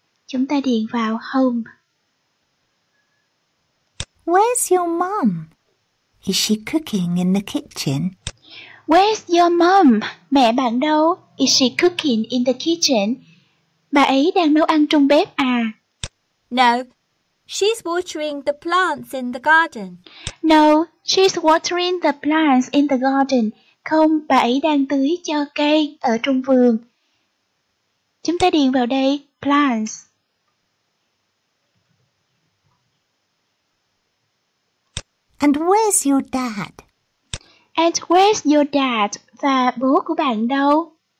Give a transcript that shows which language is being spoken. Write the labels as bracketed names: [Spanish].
[Vietnamese] Chúng ta điền vào home. [English] Where's your mom? Is she cooking in the kitchen? Where's your mom? [Vietnamese] Mẹ bạn đâu? [English] Is she cooking in the kitchen? [Vietnamese] Bà ấy đang nấu ăn trong bếp à? [English] No, she's watering the plants in the garden. No, she's watering the plants in the garden. [Vietnamese] Không, bà ấy đang tưới cho cây ở trong vườn. Chúng ta điền vào đây, plants. [English] And where's your dad? And where's your dad? [Vietnamese] Và bố của bạn đâu?